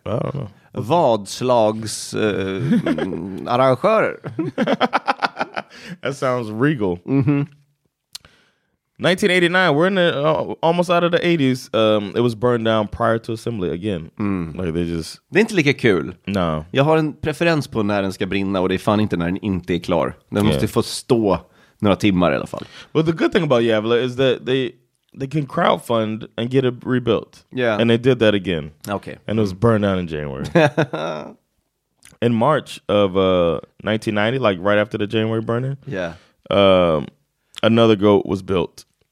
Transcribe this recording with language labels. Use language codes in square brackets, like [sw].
[en] I don't know. [sv] Vadslags arrangörer. [en] That sounds regal. Mm-hmm. 1989, we're in the almost out of the 80s. It was burned down prior to assembly again. Like they just. [sv] Det är inte lika kul. [en] No. [sv] Jag har en preferens på när den ska brinna, och det är fan inte när den inte är klar. Den måste få stå några timmar i alla fall. [en] But the good thing about Gävle is that they they can crowdfund and get it rebuilt. Yeah. And they did that again. Okay. And it was burned down in January. In March of 1990, like right after the January burning. Yeah. Another goat was built.